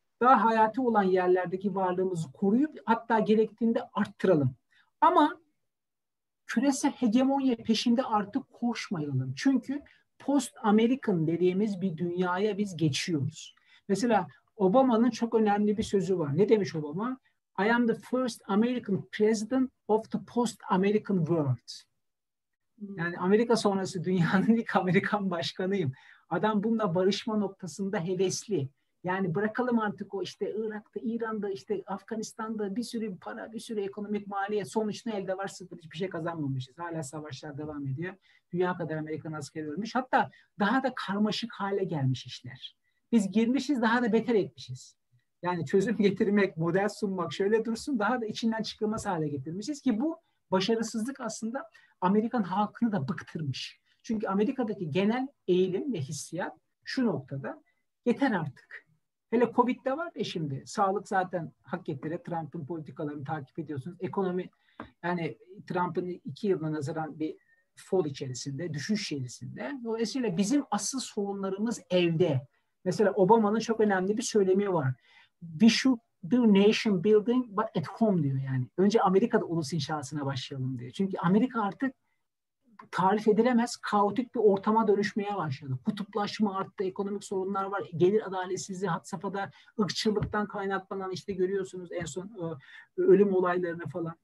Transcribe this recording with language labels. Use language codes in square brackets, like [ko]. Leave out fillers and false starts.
[tr] Daha hayati olan yerlerdeki varlığımızı koruyup hatta gerektiğinde arttıralım. Ama küresel hegemonya peşinde artık koşmayalım. Çünkü post-American dediğimiz bir dünyaya biz geçiyoruz. Mesela Obama'nın çok önemli bir sözü var. Ne demiş Obama? [en] I am the first American president of the post-American world. [tr] Yani Amerika sonrası dünyanın ilk Amerikan başkanıyım. Adam bununla barışma noktasında hevesli. Yani bırakalım artık o işte Irak'ta, İran'da, işte Afganistan'da bir sürü para, bir sürü ekonomik maliye. Sonuç ne elde var? Sıfır. Hiçbir şey kazanmamışız. Hala savaşlar devam ediyor. Dünya kadar Amerikan askeri ölmüş. Hatta daha da karmaşık hale gelmiş işler. Biz girmişiz, daha da beter etmişiz. Yani çözüm getirmek, model sunmak şöyle dursun, daha da içinden çıkılmaz hale getirmişiz ki bu başarısızlık aslında Amerikan halkını da bıktırmış. Çünkü Amerika'daki genel eğilim ve hissiyat şu noktada: yeter artık. Hele Covid de var ya şimdi. Sağlık zaten hak ettire. Trump'ın politikalarını takip ediyorsunuz. Ekonomi, yani Trump'ın 2 yılına nazaran bir fall içerisinde, düşüş içerisinde. Dolayısıyla bizim asıl sorunlarımız evde. Mesela Obama'nın çok önemli bir söylemi var. [en] We should do nation building but at home [tr] diyor yani. Önce Amerika'da ulus inşasına başlayalım diyor. Çünkü Amerika artık tarif edilemez kaotik bir ortama dönüşmeye başladı. Kutuplaşma arttı, ekonomik sorunlar var, gelir adaletsizliği had safhada, ırkçılıktan kaynaklanan işte görüyorsunuz en son ölüm olaylarını falan.